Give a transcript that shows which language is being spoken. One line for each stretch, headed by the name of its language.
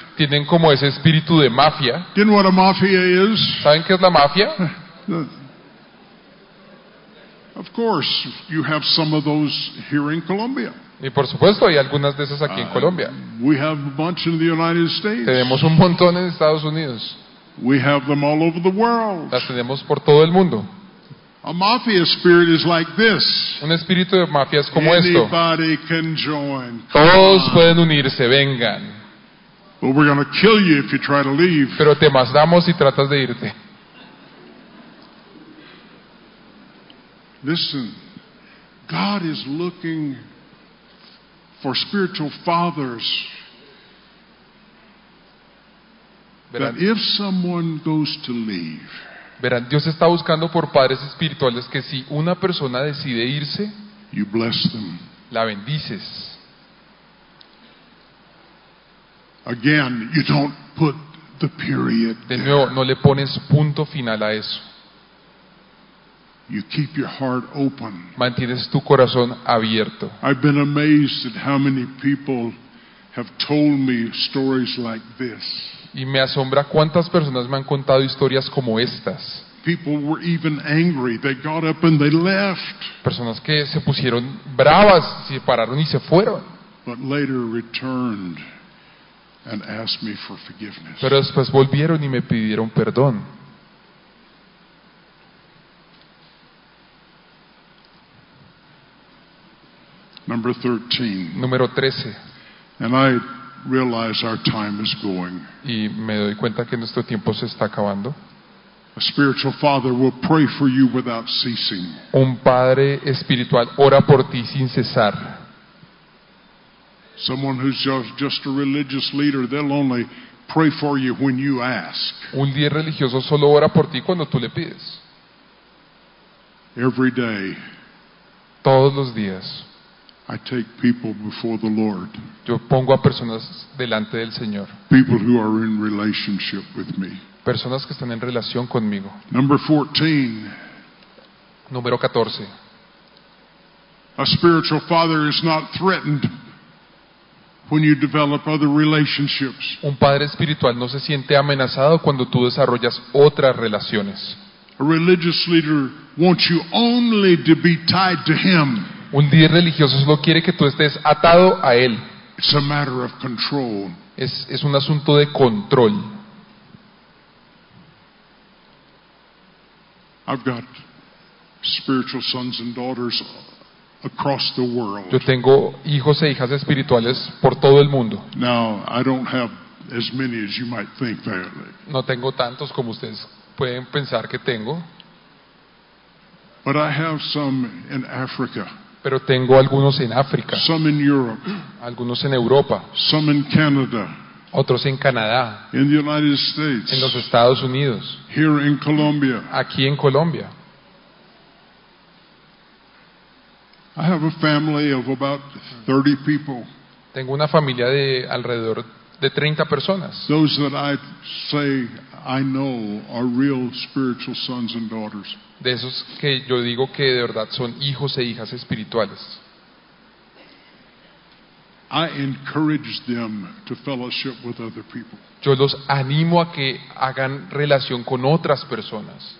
Spanish: Tienen como ese espíritu de mafia.
English: Do you know what a mafia is?
Spanish: ¿Saben qué es la mafia?
English: Of course, you have some of those here in Colombia.
Spanish: Y por supuesto hay algunas de esas aquí en Colombia.
English: We have a bunch in the United States.
Spanish: Tenemos un montón en Estados Unidos.
English: We have them all over the world.
Spanish: Las tenemos por todo el mundo.
English: A mafia spirit is like this.
Spanish: Un espíritu de mafia es como
English: anybody
Spanish: esto.
English: Anybody can join.
Spanish: Todos pueden unirse, vengan.
English: But we're going to kill you if you try to leave.
Spanish: Pero te matamos si tratas de irte.
English: Listen, God is looking for spiritual fathers.
Spanish: Verán,
English: that if someone goes to leave,
Spanish: verán, Dios está buscando por padres espirituales que si una persona decide irse,
English: you bless them.
Spanish: La bendices.
English: Again, you don't put the period.
Spanish: De nuevo, no le pones punto final a eso.
English: You keep your heart open.
Spanish: Mantienes tu corazón abierto.
English: I've been amazed at how many people have told me stories like this. Y me asombra cuántas personas me han contado historias como estas. People were even angry. They got up and they left.
Spanish: Personas que se pusieron bravas, se pararon y se fueron.
English: But later returned and asked me for forgiveness.
Spanish: Pero después volvieron y me pidieron perdón.
English: Number 13.
Spanish: Número 13.
English: And I realize our time is going.
Spanish: Y me doy cuenta que nuestro tiempo se está acabando.
English: A spiritual father will pray for you without ceasing.
Spanish: Un padre espiritual ora por ti sin cesar.
English: Someone who's just a religious leader, they'll only pray for you when you ask.
Spanish: Un líder religioso solo ora por ti cuando tú le pides.
English: Every day.
Spanish: Todos los días.
English: I take people before the Lord.
Spanish: Yo pongo a personas delante del Señor.
English: People who are in relationship with me.
Spanish: Personas que están en relación conmigo.
English: Number 14.
Spanish: Número 14.
English: A spiritual father is not threatened when you develop other relationships.
Spanish: Un padre espiritual no se siente amenazado cuando tú desarrollas otras relaciones.
English: A religious leader wants you only to be tied to him.
Spanish: Un líder religioso solo quiere que tú estés atado a él.
English: It's a matter of control.
Spanish: Es un asunto de control.
English: I've got spiritual sons and daughters across the world.
Spanish: Yo tengo hijos e hijas espirituales por todo el mundo.
English: Now, I don't have as many as you might think fairly.
Spanish: No tengo tantos como ustedes pueden pensar que tengo.
English: But I have some in Africa.
Spanish: Pero tengo algunos en África.
English: Some in Europe.
Spanish: Algunos en Europa.
English: Some in Canada.
Spanish: Otros en Canadá.
English: In the United States.
Spanish: En los Estados Unidos.
English: Here in Colombia.
Spanish: Aquí en Colombia.
English: I have a family of about 30 people.
Spanish: Tengo una familia de alrededor de 30 personas.
English: Those that I say I know are real spiritual sons and daughters.
Spanish: De esos que yo digo que de verdad son hijos e hijas espirituales.
English: I encourage them to fellowship with other people.
Spanish: Yo los animo a que hagan relación con otras personas.